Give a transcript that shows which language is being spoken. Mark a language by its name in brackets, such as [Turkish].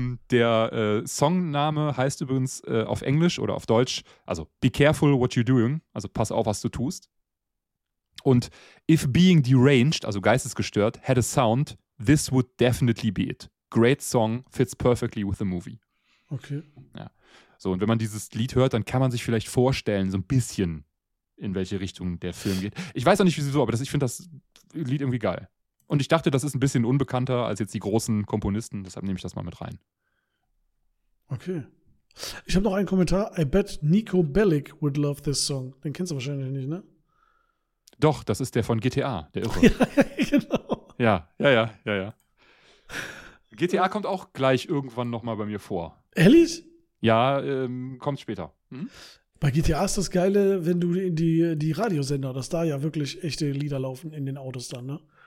[German] der Songname heißt übrigens auf Englisch oder auf Deutsch, also [English] Be careful what you're doing, [German] also pass auf, was du tust. [English] Und if being deranged, [German] also geistesgestört, [English] had a sound, this would definitely be it. Great song, fits perfectly with the movie. Okay. [German] Ja. So, und wenn man dieses Lied hört, dann kann man sich vielleicht vorstellen, so ein bisschen, in welche Richtung der Film geht. Ich weiß auch nicht, wieso, aber ich finde das Lied irgendwie geil. Und ich dachte, das ist ein bisschen unbekannter als jetzt die großen Komponisten, deshalb nehme ich das mal mit rein. Okay. Ich habe noch einen Kommentar. [English] I bet Nico Bellic would love this song. [German] Den kennst du wahrscheinlich nicht, ne? Doch, das ist der von GTA, der Irre. Ja, genau. Ja. GTA kommt auch gleich irgendwann nochmal bei mir vor. Ehrlich? Ja, kommt später. Hm? Bei GTA ist das Geile, wenn du in die Radiosender, dass da ja wirklich echte Lieder laufen in den Autos dann, ne?